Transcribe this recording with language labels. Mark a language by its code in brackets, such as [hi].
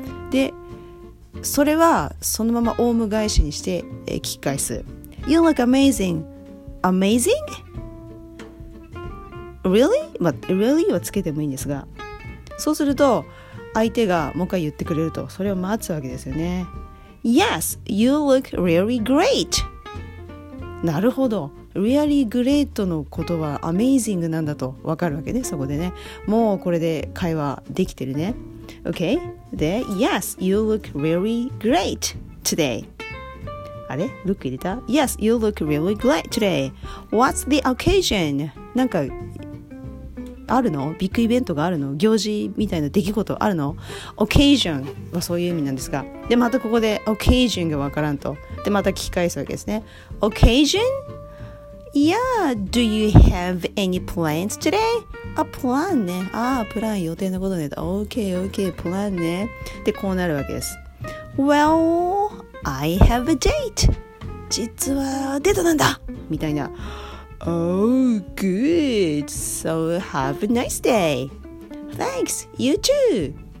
[ja] でそれはそのままオウム返しにして聞き返す。 [en] You look amazing. Amazing? Really? [ja] まあ、really はつけてもいいんですが、そうすると相手がもう一回言ってくれると、それを待つわけですよね。 [en] Yes, you look really great. [ja] なるほど、 [en] Really great [ja] のことは amazing なんだと分かるわけね、そこでね。もうこれで会話できてるね。 [en] OK? で、Yes, you look really great today. [ja] あれ ?look 入れた ? [en] Yes, you look really great today. What's the occasion? [ja] なんか、あるの？ビッグイベントがあるの？行事みたいな出来事あるの？occasion はそういう意味なんですが、でまたここで occasion がわからんと、でまた聞き返すわけですね。 [en] occasion？ Yeah, do you have any plans today? [ja] A plan ね、あープラン予定のことね、 OK OK plan ね、でこうなるわけです。 [en] Well, I have a date、 [ja] 実はデートなんだみたいな。 [en] Oh, good. So, have a nice day. Thanks. You too.